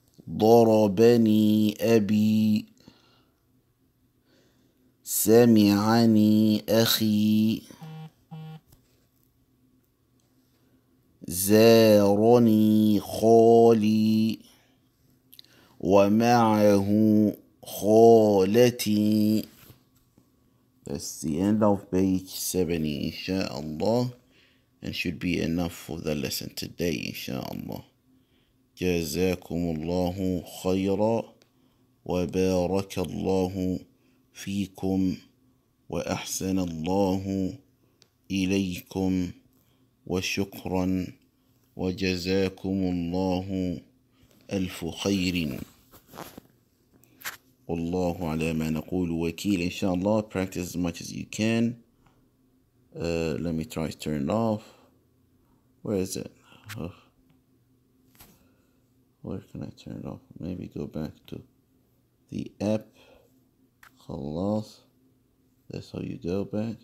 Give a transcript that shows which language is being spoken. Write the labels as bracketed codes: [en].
[ar] ضربني أبي سمعني أخي زارني خالي ومعه خالتي. [en] That's the end of page 70 inshallah, and should be enough for the lesson today inshallah. [ar] جزاكم الله خيرا وبارك الله فيكم وأحسن الله إليكم وشكرا وجزاكم الله ألف خير. والله على ما نقول وكيل. [en] إن شاء الله practice as much as you can. Let me try to turn it off. Where is it? Where can I turn it off? Maybe go back to the app. خلاص. That's how you go back.